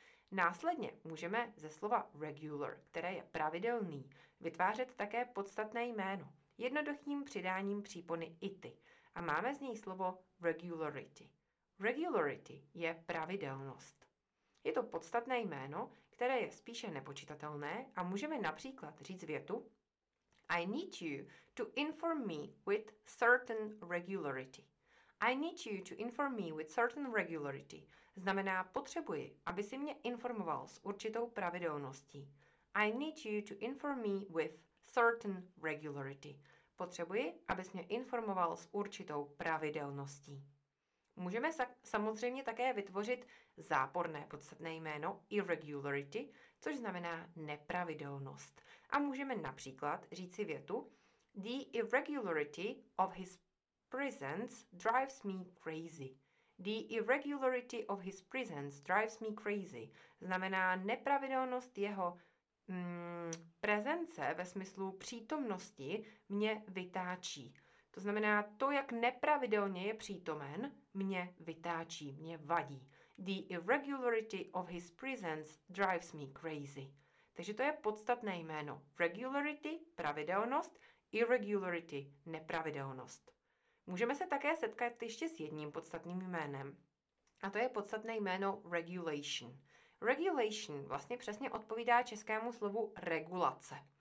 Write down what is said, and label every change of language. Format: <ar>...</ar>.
<cs>Následně můžeme ze slova regular, které je pravidelný, vytvářet také podstatné jméno jednoduchým přidáním přípony ity a máme z něj slovo regularity. Regularity je pravidelnost. Je to podstatné jméno, které je spíše nepočitatelné a můžeme například říct větu:</cs> <en>I need you to inform me with certain regularity. I need you to inform me with certain regularity.</en> <cs>Znamená, potřebuji, aby si mě informoval s určitou pravidelností.</cs> <en>I need you to inform me with certain regularity.</en> <cs>Potřebuji, abys mě informoval s určitou pravidelností. Můžeme samozřejmě také vytvořit záporné podstatné jméno irregularity, což znamená nepravidelnost. A můžeme například říci větu:</cs> <en>The irregularity of his presence drives me crazy. The irregularity of his presence drives me crazy.</en> <cs>Znamená nepravidelnost jeho prezence ve smyslu přítomnosti mě vytáčí. To znamená, to, jak nepravidelně je přítomen, mě vytáčí, mě vadí.</cs> <en>The irregularity of his presence drives me crazy.</en> <cs>Takže to je podstatné jméno. Regularity, pravidelnost, irregularity, nepravidelnost. Můžeme se také setkat ještě s jedním podstatným jménem. A to je podstatné jméno regulation. Regulation vlastně přesně odpovídá českému slovu regulace.</cs>